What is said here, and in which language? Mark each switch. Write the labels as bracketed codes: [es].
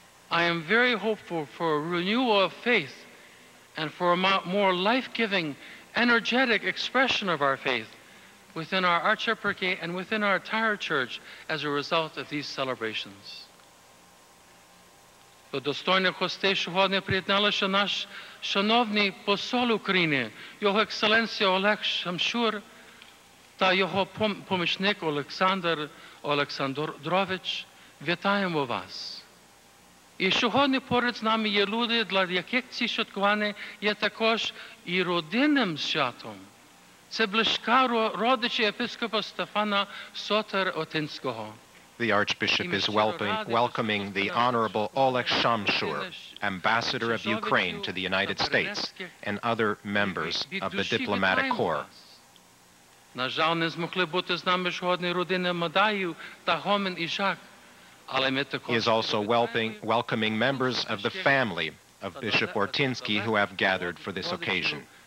[en] I am very hopeful for a renewal of faith and for a more life-giving, energetic expression of our faith within our archeparchy and within our entire church as a result of these celebrations. [uk] До достойних гостей сьогодні приєдналися наш шановний посол України, його екселенція Олег Шамшур та його помічник Олександр Олександрович. Вітаємо вас. І сьогодні поряд з нами є люди, для яких ці святкування є також і родинним святом. Це близька родичі єпископа Стефана Сотер Ортинського. [en] The Archbishop is welcoming the Honorable Oleg Shamshur, Ambassador of Ukraine to the United States, and other members of the Diplomatic Corps. [uk] На жаль, не змогли бути з нами сьогодні родини Мадаю та Гомен і Жак. [en] He is also welcoming members of the family of Bishop Ortynsky who have gathered for this occasion.